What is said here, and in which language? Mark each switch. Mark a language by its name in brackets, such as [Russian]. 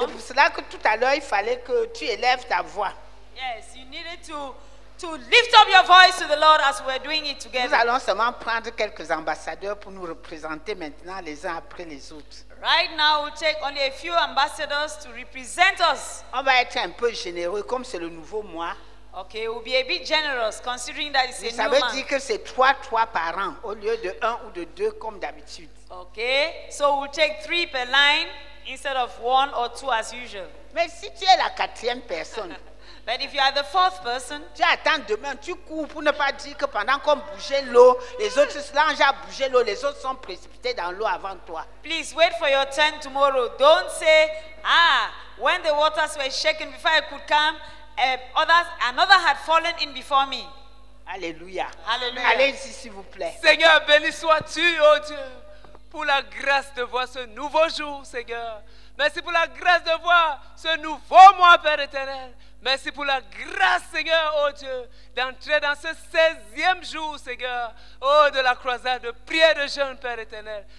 [French] C'est pour cela que tout à l'heure il fallait que tu élèves ta voix. [English] Yes, you needed to lift up your voice to the Lord as we're doing it together. [French] Nous allons seulement prendre quelques ambassadeurs pour nous représenter maintenant les uns après les autres. [English] Right now we'll take only a few ambassadors to represent us. [French] On va être un peu généreux comme c'est le nouveau mois. [English] Okay, we'll be a bit generous considering that it's a new month. [French] Ça veut dire que c'est trois par an au lieu de un ou de deux comme d'habitude. [English] Okay, so we'll take three per line instead of one or two as usual. [French] Mais si tu es la quatrième personne, [English] but if you are the fourth person, [French] tu attends demain, tu cours pour ne pas dire que pendant qu'on bougeait l'eau, les autres se sont déjà bougé l'eau, les autres sont précipités dans l'eau avant toi. [English] Please wait for your turn tomorrow. Don't say, when the waters were shaken before I could come, another had fallen in before me. [French] Alléluia. Alléluia. Allez-y, s'il vous plaît. Seigneur, béni sois-tu, oh Dieu. Pour la grâce de voir ce nouveau jour, Seigneur. Merci pour la grâce de voir ce nouveau mois, Père éternel. Merci pour la grâce, Seigneur, oh Dieu, d'entrer dans ce 16e jour, Seigneur, oh, de la croisade de prière de jeûne, Père éternel.